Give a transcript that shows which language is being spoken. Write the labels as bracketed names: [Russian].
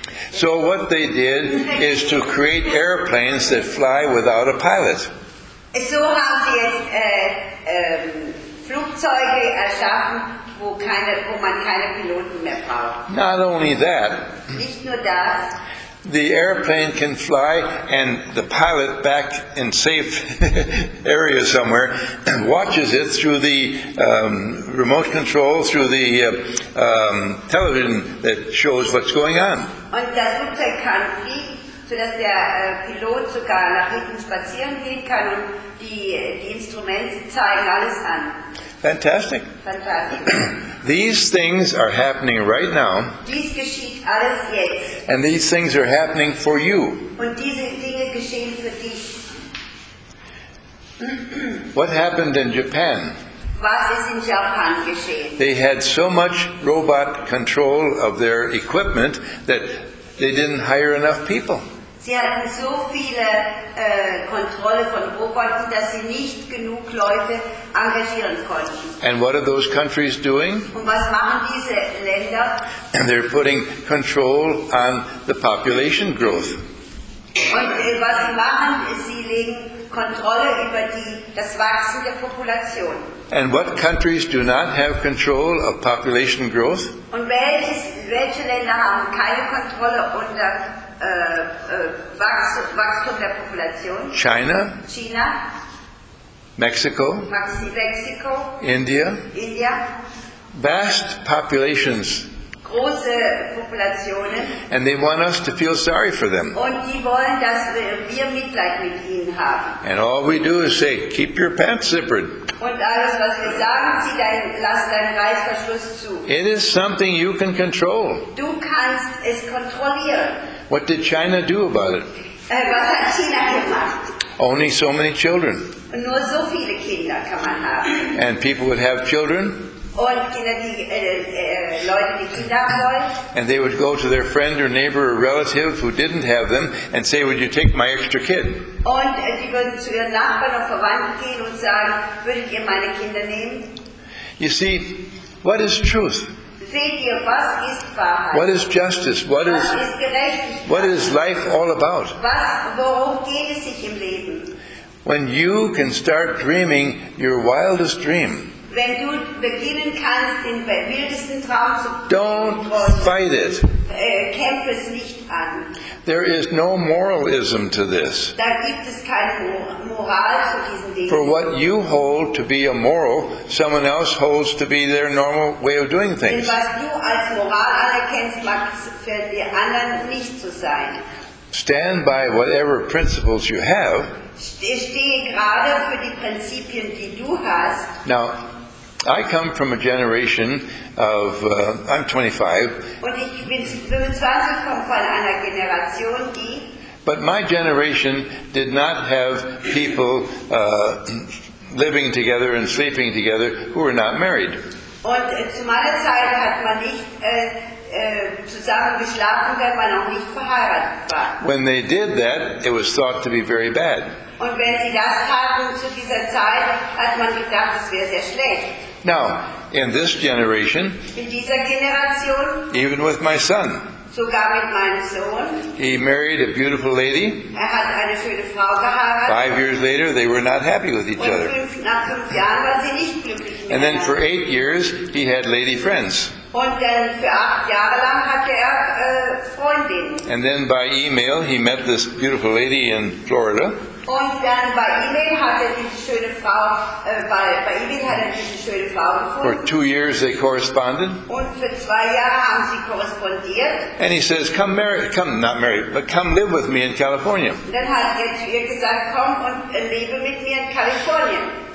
[English] So what they did is to create airplanes that fly without a pilot. [German] So haben sie jetzt Flugzeuge erschaffen, wo man keine Piloten mehr braucht. [English] Not only that. [German] Nicht nur das. [English] The airplane can fly and the pilot back in safe area somewhere watches it through the remote control, through the television that shows what's going on. [German] Und das Flugzeug kann fliegen, sodass der Pilot sogar nach hinten spazieren gehen kann und die Instrumente zeigen alles an. [English] Fantastic. Fantastic. These things are happening right now. [German] Dies geschieht alles jetzt. [English] And these things are happening for you. [German] Und diese Dinge geschehen für dich. [English] What happened in Japan? [German] Was ist in Japan geschehen? [English] They had so much robot control of their equipment that they didn't hire enough people. [German] Sie hatten so viele Kontrolle von Robotern, dass sie nicht genug Leute engagieren konnten. [English] And what are those countries doing? [German] Und was machen diese Länder? [English] And they're putting control on the population growth. [German] Und was sie machen, ist, sie legen Kontrolle über das Wachsen der Population. [English] And what countries do not have control of population growth? [German] Und welche Länder haben keine Kontrolle unter Wachstum der Population? [English] China. Mexico. India. Vast populations. [German] Große Populationen. [English] And they want us to feel sorry for them. [German] Und die wollen, dass wir Mitleid mit ihnen haben. [English] And all we do is say, keep your pants zippered. [German] Und alles, was wir sagen, zieh dein, lass deinen Reißverschluss zu. [English] It is something you can control. [German] Du kannst es kontrollieren. [English] What did China do about it? [German] Was hat China gemacht? [English] Only so many children. [German] Nur so viele Kinder kann man haben. [English] And people would have children. [German] Und Kinder, die, Leute, die Kinder haben wollen. [English] And they would go to their friend or neighbor or relative who didn't have them and say, would you take my extra kid? [German] Und die würden zu ihren Nachbarn oder Verwandten gehen und sagen, würdet ihr meine Kinder nehmen? [English] You see, what is truth? [German] Seht ihr, was ist Wahrheit? [English] What is justice? What [German] was ist Gerechtigkeit? [English] What is life all about? [German] Was, worum geht es sich im Leben? [English] When you can start dreaming your wildest dream, [German] wenn du beginnen kannst, den wildesten Traum zu träumen, [English] don't fight it. [German] Kämpf es nicht an. [English] There is no moralism to this. [German] Da gibt es keine Moral zu diesem Ding. [English] For what you hold to be a moral, someone else holds to be their normal way of doing things. [German] Denn was du als Moral anerkennst, mag für die anderen nicht so sein. [English] Stand by whatever principles you have. [German] Stehe gerade für die Prinzipien, die du hast. [English] Now, I come from a generation of, I'm 25. [German] Und ich bin 25, komme von einer Generation, die... [English] But my generation did not have people living together and sleeping together who were not married. [German] Und zu meiner Zeit hat man nicht zusammen geschlafen, wenn man noch nicht verheiratet war. [English] When they did that, it was thought to be very bad. [German] Und wenn sie das taten zu dieser Zeit, hat man gedacht, es wäre sehr schlecht. [English] Now, in this generation, [German] in dieser Generation, [English] even with my son, [German] sogar mit meinem Sohn, [English] he married a beautiful lady. [German] Er hat eine schöne Frau geheiratet. [English] 5 years later, they were not happy with each other. [German] Nach 5 Jahren waren sie nicht glücklich mehr. [English] And then for 8 years, he had lady friends. [German] Und dann für 8 Jahre lang hatte er Freundinnen. [English] And then by email, he met this beautiful lady in Florida. [German] Und dann bei E-Mail hat er diese schöne Frau, bei E-Mail hat er diese schöne Frau gefunden. [English] For 2 years they corresponded. [German] Und für 2 Jahre haben sie korrespondiert. [English] And he says, come live with me in California. [German] Dann hat er zu ihr gesagt, komm und lebe mit mir in Kalifornien.